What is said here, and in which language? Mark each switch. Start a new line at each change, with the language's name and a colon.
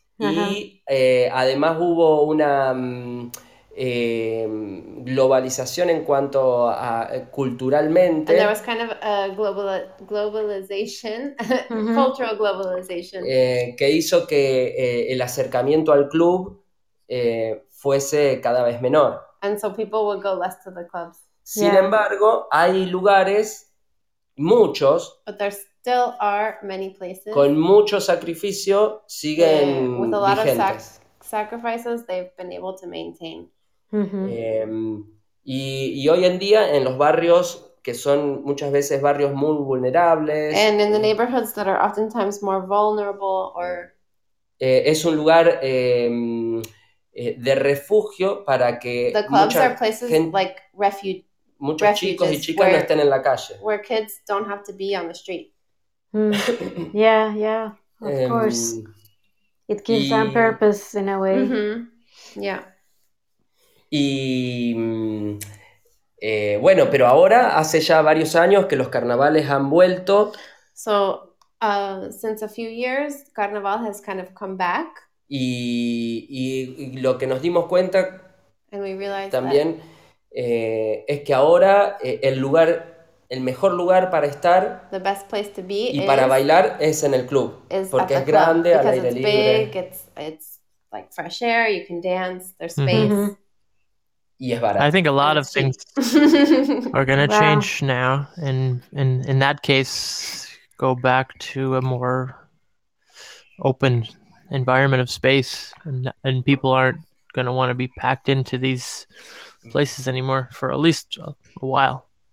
Spanish: Y además hubo una globalización en cuanto a culturalmente.
English: And there was kind of a globalization, mm-hmm. cultural globalization.
Spanish: Que hizo que el acercamiento al club fuese cada vez menor.
English: And so people would go less to the clubs.
Spanish: Sin embargo, hay lugares, muchos,
English: but there still are many places,
Spanish: con mucho sacrificio, siguen
English: with a lot
Spanish: vigentes.
English: Of sacrifices, they've been able to maintain. Mm-hmm.
Spanish: Y hoy en día en los barrios que son muchas veces barrios muy vulnerables.
English: And in the neighborhoods that are oftentimes more vulnerable or...
Spanish: Es un lugar de refugio para que
English: the clubs
Spanish: mucha
English: are places
Spanish: gente,
English: like refuge,
Spanish: muchos chicos y chicas
English: where,
Spanish: no estén en la calle.
English: Where kids don't have to be on the street. Yeah, of course. It gives them purpose in a way. Mm-hmm. Yeah.
Spanish: Y bueno, pero ahora hace ya varios años que los carnavales han vuelto.
English: So, since a few years, carnaval has kind of come back.
Spanish: Y lo que nos dimos cuenta
English: and we realized
Spanish: también
English: that
Spanish: es que ahora el mejor lugar para estar
English: the best place to be
Spanish: y para bailar es en el club, porque es grande, al aire libre.
English: Because it's big, it's like fresh air, you can dance, there's space. Mm-hmm.
Spanish: Y es barato.
English: I think a lot of things are going to wow. change now, and in that case, go back to a more open environment of space, and people aren't going to want to be packed into these places anymore for at least a while.